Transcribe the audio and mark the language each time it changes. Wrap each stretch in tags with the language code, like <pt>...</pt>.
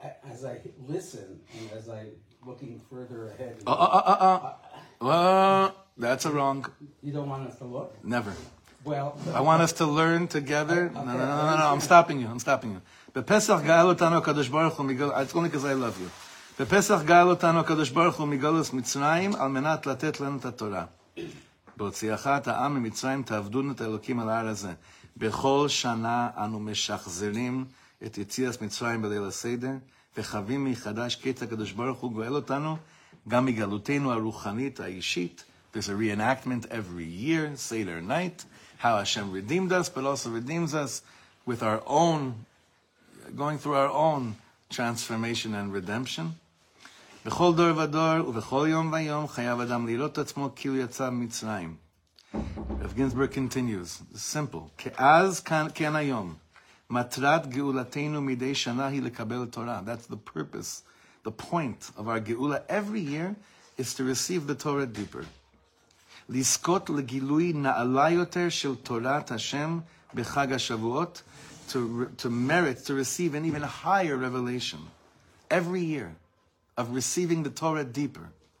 <en>As I listen, and as I looking further ahead. That's a wrong. You don't want us to look? Never. Well. I want us to learn together. No. I'm stopping you.</en> <he>בפסח גאל אותנו הקדוש ברוך הוא מגל...</he> <en>It's only because I love you.</en> <he>בפסח גאל אותנו הקדוש ברוך הוא מגלוס מצרים על מנת לתת לנו את התורה. בהוציאך את העם ממצרים תעבדו את האלוקים על הער הזה. בכל שנה אנו משחזרים את יציאת מצרים בליל הסדר וחווים מחדש קטע הקדוש ברוך הוא גואל אותנו גם מגלותינו הרוחנית האישית.</he> <en>There's a reenactment every year, Seder night, how Hashem redeemed us but also redeems us with our own... going through our own transformation and redemption.</en> <he>בכל דור ודור ובכל יום ויום חייב אדם לראות את עצמו כאילו יצא מצרים.</he> <en>רב גינסברג continues, simple.</en> <he>כאז כאן היום, מטרת גאולתנו מדי שנה היא לקבל תורה.</he> <en>That's the purpose, the point of our גאולה every year is to receive the Torah deeper.</en> <he>לזכות לגילוי נעלה יותר של תורת השם בחג השבועות,</he> <en>to merit, to receive an even higher revelation every year of receiving the Torah deeper.</en>